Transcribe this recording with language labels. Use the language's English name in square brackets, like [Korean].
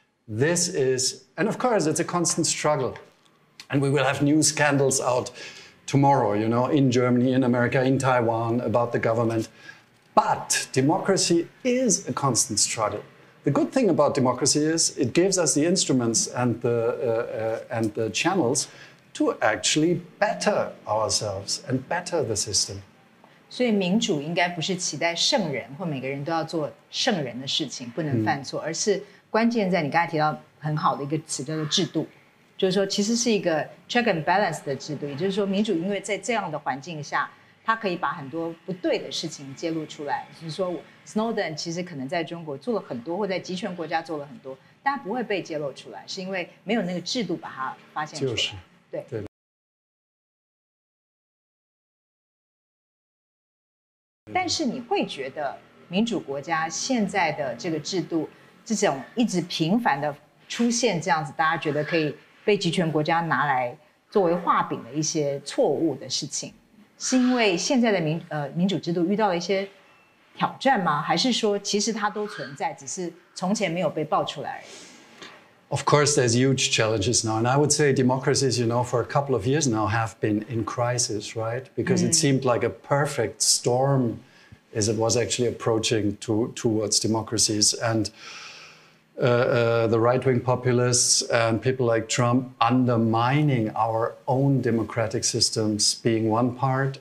[English] This is, and of course, it's a constant struggle. And we will have new scandals out tomorrow, you know, in Germany, in America, in Taiwan, about the government. But democracy is a constant struggle. The good thing about democracy is it gives us the instruments and the channels to actually better ourselves and better the system. [Chinese] 所以民主应该不是期待圣人或每个人都要做圣人的事情，不能犯错，而是关键在你刚才提到很好的一个词叫做制度。就是说其实是一个 [English] check and balance [Chinese] 的制度，也就是说民主因为在这样的环境下它可以把很多不对的事情揭露出来，就是说 Snowden 其实可能在中国做了很多或在极权国家做了很多，但不会被揭露出来，是因为没有那个制度把它发现出来，就是对。但是你会觉得民主国家现在的这个制度这种一直频繁的出现这样子，大家觉得可以被集权国家拿来作为画饼的一些错误的事情，是因为现在的 民主制度遇到了一些挑战吗？还是说其实它都存在，只是从前没有被爆出来？ [English] Of course, there's huge challenges now. And I would say democracies, you know, for a couple of years now have been in crisis, right? Because it seemed like a perfect storm as it was actually approaching towards democracies. And the right-wing populists and people like Trump undermining our own democratic systems being one part.